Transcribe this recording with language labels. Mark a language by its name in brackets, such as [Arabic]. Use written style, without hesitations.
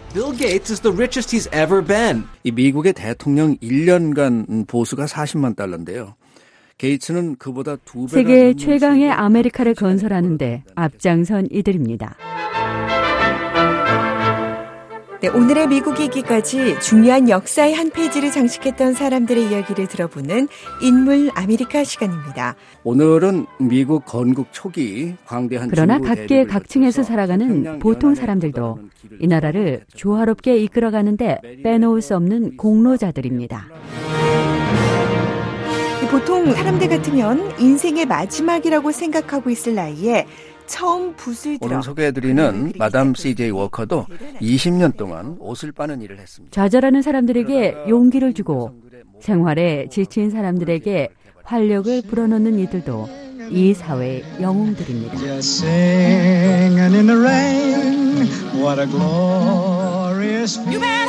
[English] Bill Gates is the richest he's ever been. [Korean] 이 미국의 대통령 1년간 보수가 40만 달러인데요. 게이츠는 그보다 두 배가 세계 최강의 아메리카를 건설하는데 앞장선 이들입니다. 네, 오늘의 미국이기까지 중요한 역사의 한 페이지를 장식했던 사람들의 이야기를 들어보는 인물 아메리카 시간입니다. 오늘은 미국 건국 초기 광대한 그러나 각계 각층에서 살아가는 보통 사람들도 이 나라를 조화롭게 이끌어가는데 빼놓을 수 없는 공로자들입니다. 보통 사람들 같으면 인생의 마지막이라고 생각하고 있을 나이에 처음 붓을 들어 오늘 소개해드리는 마담 CJ 워커도 20년 동안 옷을 빠는 일을 했습니다. 좌절하는 사람들에게 용기를 주고 생활에 지친 사람들에게 활력을 불어넣는 이들도 이 사회의 영웅들입니다. [English] Singing in the rain, what a glorious view.